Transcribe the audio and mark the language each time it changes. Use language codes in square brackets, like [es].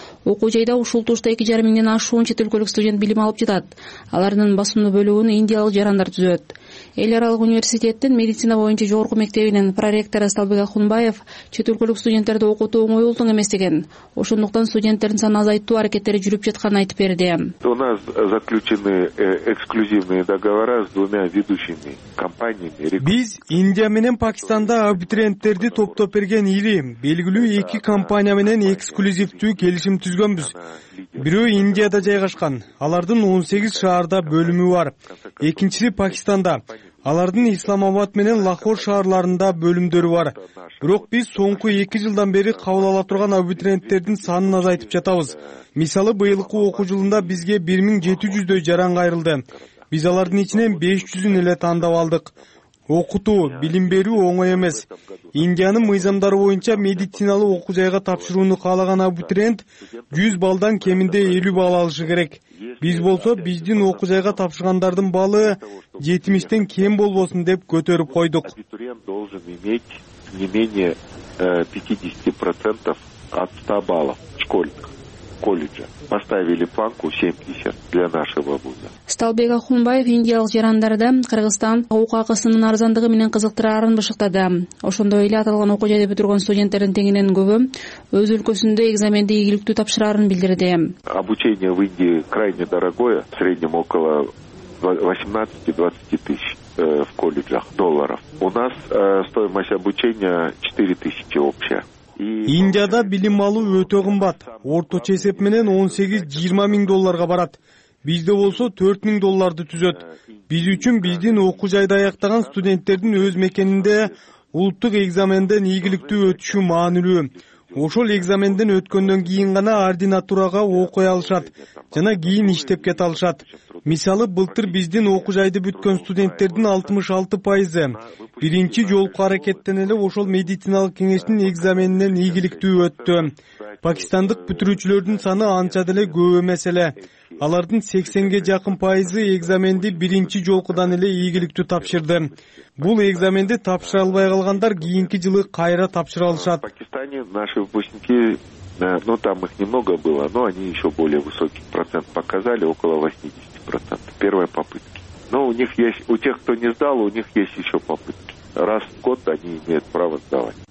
[ky] Окуу жайда ушул турушта 2,5 миңден ашуун чет өлкөлүк студент билим алып жатат. Алардын басымдуу бөлүгүн индиялык жарандар түзөт. Эл аралык университеттин медицина боюнча жогорку мектебинин проректору Салбек Ахунбаев чет өлкөлүк студенттерди окутуу оңой болтуң эмес деген. Ошондуктан студенттердин санын азайтуу аракеттери жүрүп жатканын айтып берди. [ru] У нас заключены эксклюзивные договора с двумя ведущими компаниями. [ky] Биз Индия менен Пакистанда абитуриенттерди топтоп берген ири белгилүү эки компания менен эксклюзивдүү келишим түзгөнбүз. Бирөө Индияда жайгашкан, алардын 18 шаарда бөлүмү бар. Экинчиси Пакистанда. Алардын Исламабад менен Лахор шаарларында бөлүмдөрү бар. Бирок биз соңку 2 жылдан бери кабыл ала турган абитуриенттердин санын азайтып жатабыз. Мисалы, быйылкы окуу жылында бизге 1700 жаран кайрылды. Биз алардын ичинен 500 эле тандап алдык. Окутуу, билим берүү оңой эмес. Индиянын мыйзамдары боюнча медициналык окуу жайга тапшырууну каалаган абитуриент 100 балдан кеминде 50 балл алышы керек. Биз болсо биздин окуу жайга тапшыргандардын баллы 70 кем болбосун деп көтөрүп койдук. [ru] Абитуриент должен иметь не менее 50% от 100 баллов школьных. Колледжа поставили планку 70 для нашего вуза. [ky] Сталбек Ахунбаев индиялык жарандарды Кыргызстан окуу акысынын арзандыгы менен кызыктырарын бышыктады. Ошондой эле аталган окуу жайды бүтүргөн студенттердин теңинен көбү өз өлкөсүндө экзаменди ийгиликтүү тапшыраарын билдирди. [ru] Обучение в Индии крайне дорогое, в среднем около 18-20 тысяч в колледжах долларов. У нас стоимость обучения 4 тысячи общая. [ky] Индияда билим алуу өтө кымбат. Орточо эсеп менен 18-20 миң долларга барат. Бизде болсо 4 миң долларды түзөт. Биз үчүн биздин окуу жайда аяктаган студенттердин өз мекенинде улуттук экзамендин ийгиликтүү өтүшү маанилүү. Ошол экзамендин өткөндөн кийин гана ординатурага окуй алышат жана кийин иштеп кете алышат. Мисалы, былтыр биздин окуу жайды бүткөн студенттердин 66% биринчи жолку аракеттен эле ошол медициналык кеңештин экзаменинен ийгиликтүү өттү. Пакистандык бүтүрүүчүлөрдүн саны анча деле көп эмес эле. Алардын 80%-ге жакын экзаменди биринчи жолкудан эле ийгиликтүү тапшырды. Бул экзаменди тапшыра албай калгандар кийинки жылы кайра тапшыра алышат. [ru] В Пакистане наши выпускники, ну там их немного было, но они еще более высокий процент показали, около 80% первой попытки. Но у них есть, у тех, кто не сдал, у них есть еще попытки. Раз в год они имеют право сдавать.